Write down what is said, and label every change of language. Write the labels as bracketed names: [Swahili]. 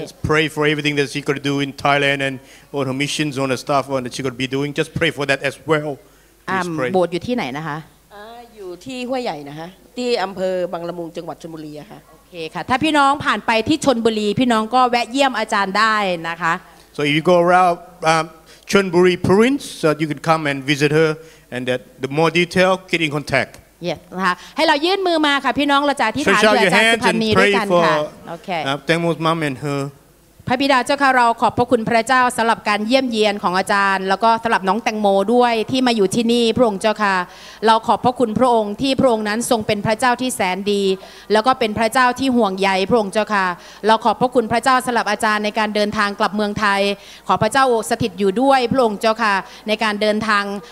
[English] just pray for everything that she got to do in Thailand and all her missions on the stuff on that she got to be doing just pray for that as well [Thai] โบสถ์อยู่ที่ไหนนะคะ อยู่ที่ห้วยใหญ่นะคะที่อำเภอบางละมุงจังหวัดชลบุรีค่ะ โอเคค่ะถ้าพี่น้องผ่านไปที่ชลบุรีพี่น้องก็แวะเยี่ยมอาจารย์ได้นะคะ [English] so if you go around Chonburi province so you could come and visit her and that the more detail get in contact [Thai] yes นะคะให้เรายื่นมือมาค่ะพี่น้องเราจะอธิษฐานเพื่ออาจารย์สุพรรณีด้วยกันค่ะ โอเคแตงโมส์มัมและเธ อพระบิดาเจ้าค่ะเราขอบพระคุณพระเจ้าสำหรับการเยี่ยมเยียนของอาจารย์แล้วก็สำหรับน้องแตงโมด้วยที่มาอยู่ที่นี่พระองค์เจ้าค่ะเราขอบพระคุณพระองค์ที่พระองค์นั้นทรงเป็นพระเจ้าที่แสนดีแล้วก็เป็นพระเจ้าที่ห่วงใยพระองค์เจ้าค่ะเราขอบพระคุณพระเจ้าสำหรับอาจารย์ในการเดินทางกลับเมืองไทยขอพระเจ้าสถิตอยู่ด้วยพระองค์เจ้าค่ะในการเดินทาง